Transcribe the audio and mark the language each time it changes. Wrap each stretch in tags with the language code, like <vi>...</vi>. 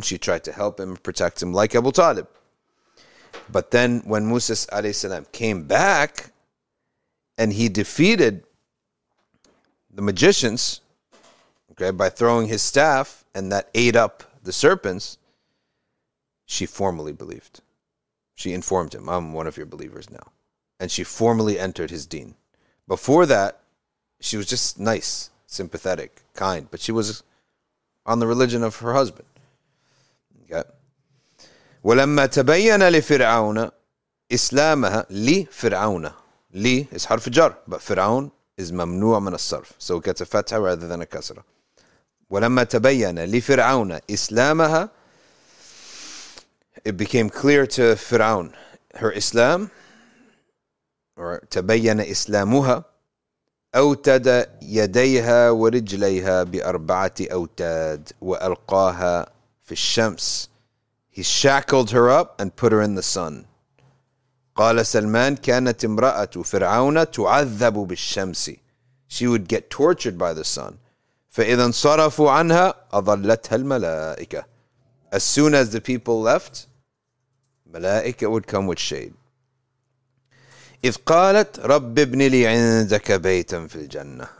<en>She tried to help him, protect him, like Abu Talib. But then when Musa alayhi salam came back and he defeated the magicians, okay, by throwing his staff and that ate up the serpents, she formally believed. She informed him, I'm one of your believers now. And she formally entered his deen. Before that, she was just nice, sympathetic, kind, but she was on the religion of her husband. Okay.</en> <ar>ولما تبين لفرعون إسلامها لفرعون لي</ar> <en>is</en> <ar>حرف جر</ar> <en>but</en> <ar>فرعون is ممنوع من الصرف</ar> <en>so it gets a fatha rather than a kasra.</en> <ar>ولما تبين لفرعون إسلامها</ar> <en>it became clear to</en> <ar>فرعون</ar> <en>her Islam or</en> <ar>تبين إسلامها أوتد يديها ورجليها بأربعة أوتاد وألقاها في الشمس.</ar> <en>He shackled her up and put her in the sun.</en> <ar>قال سلمان كانت امرأة فرعون تعذب بالشمس.</ar> <en>She would get tortured by the sun.</en> <ar>فإذا انصرفوا عنها أظلتها الملائكة.</ar> <en>As soon as the people left, ملائكة would come with shade.</en> <ar>إذ قالت رب ابن لي عندك بيتا في الجنة.</ar>